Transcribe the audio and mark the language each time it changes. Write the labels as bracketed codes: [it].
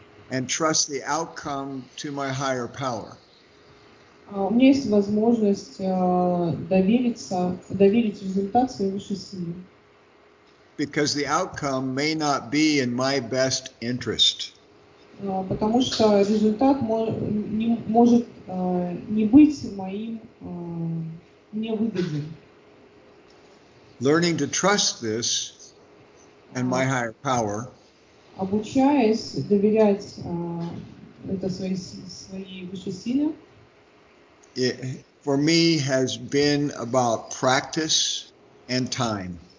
[en] and trust the outcome to my higher power. [ru] У меня есть возможность доверить результат своей высшей силе. [en] Because the outcome may not be in my best interest. [ru] Потому что результат может не быть моим невыгодным. [en] Learning to trust this and my higher power. [ru] Обучаясь доверять это своей высшей силе. [en] It, for me, has been about practice and time.